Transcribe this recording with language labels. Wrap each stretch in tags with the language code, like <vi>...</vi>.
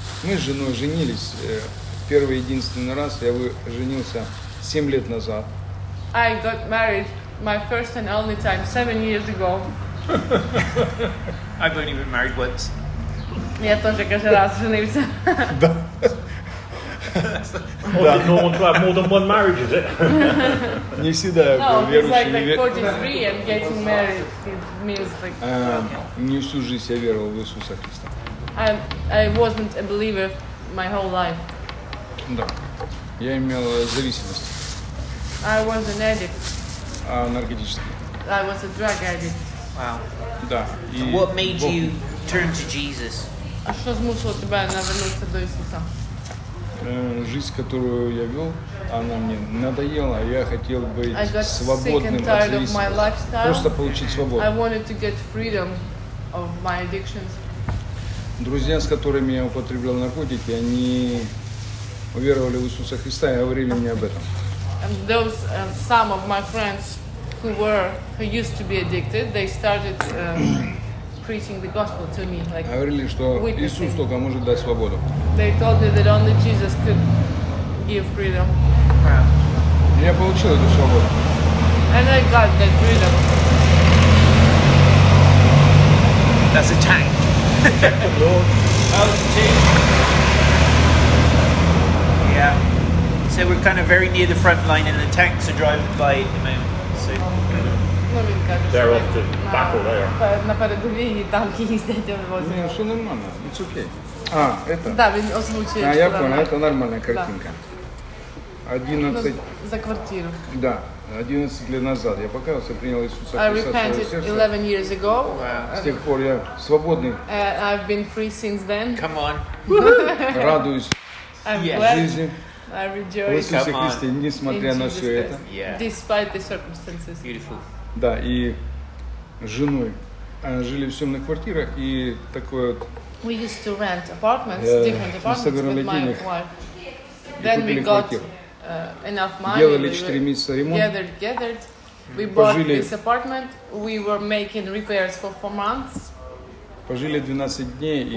<ru>Мы с женой женились первый единственный раз. Я женился 7 лет назад.</ru> <en>I got married my first and only time 7 years ago. I've only been married once.</en> <ru>Я тоже каждый раз женился. Да.</ru> <en>Oh, did Norman have more than one marriage, is it?</en> <ru>Не всегда я был верующим.</ru> <en>No, it's like 43 and getting married. It means like...</en> <ru>Не всю жизнь я веровал в Иисуса Христа.</ru> <en>I wasn't a believer my whole life.</en> <ru>Да. Я имел зависимость.</ru> <en>I was an addict.</en> <ru>Наркотический.</ru> <en>I was a drug addict. Wow.</en> <ru>Да. И</ru> <en>what made</en> <ru>Бог...</ru> <en>you turn to Jesus?</en> <ru>А что смущало тебя навернуться до Иисуса? Жизнь, которую я вел, она мне надоела. Я хотел быть свободным от зависимости. Просто получить свободу.</ru> <en>I wanted to get freedom of my addictions.</en> <ru>Друзья, с которыми я употреблял наркотики, они уверовали в Иисуса Христа и говорили мне об этом.</ru> <en>And those some of my friends who used to be addicted, they started preaching the gospel to me, like.</en> <ru>Говорили, что Иисус только может дать свободу.</ru> <en>They told me that only Jesus could give freedom.</en> <ru>Я получил эту свободу.</ru> <en>And I got that freedom. That's a tank. Yeah. So we're kind of very near the front line, and the tanks are driving by at the moment. So. They're off to battle there.</en> <uk>На передовій і танки їздять.</uk> <ru>Ну, все нормально.</ru> <en>It's okay.</en> <ru>А, это?</ru> <uk>Да, він озвучує.</uk> <ru>А я понял, это нормальная картинка. 11. За квартиру. Да. 11 лет назад я покаялся, принял Иисуса Христа.</ru> <en>I repented 11 years ago.</en> <ru>С тех пор я свободный.</ru> <en>I've been free since then. Come on.</en> <ru>Радуюсь жизни.</ru> <en>I rejoice.</en> <ru>Иисусе Христе, несмотря на все это.</ru> <en>Despite the circumstances. Beautiful.</en> <ru>Да, и с женой. Жили в съемных квартирах и такое вот.</ru> <en>We used to rent apartments, different apartments with my wife. Then we got enough money.</en> <ru>Делали 4 месяца ремонт.</ru> <en>Gathered. We bought this apartment. We were making repairs for 4 months.</en> <ru>Пожили 12 дней и</ru>